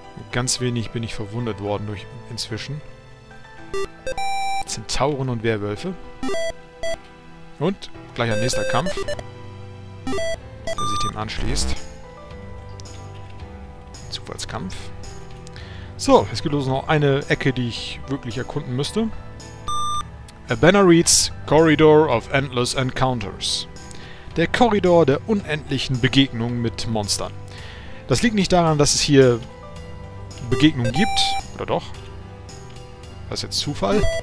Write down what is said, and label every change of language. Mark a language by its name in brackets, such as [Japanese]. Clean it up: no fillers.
[German] Ganz wenig bin ich verwundet worden durch inzwischen. Zentauren und Werwölfe. Und gleich ein nächster Kampf, der sich dem anschließt. Zufallskampf. So, es gibt also noch eine Ecke, die ich wirklich erkunden müsste. [English] A banner reads, Corridor of Endless Encounters. [German] Der Korridor der unendlichen Begegnungen mit Monstern. Das liegt nicht daran, dass es hier Begegnungen gibt. Oder doch? Das ist jetzt Zufall.